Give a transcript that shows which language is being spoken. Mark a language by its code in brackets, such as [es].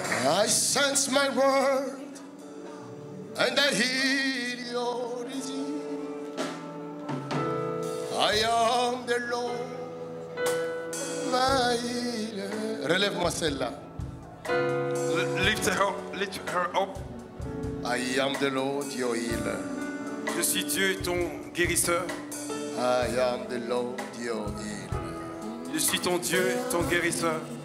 [en] I sense my word and I hear your desire. I am the Lord, my healer. [fr] Relève-moi celle-là. [en] Lift her up. Lift her up. I am the Lord, your healer. [fr] Je suis Dieu ton guérisseur. [en] I am the Lord your healer. [fr] Je suis ton Dieu ton guérisseur.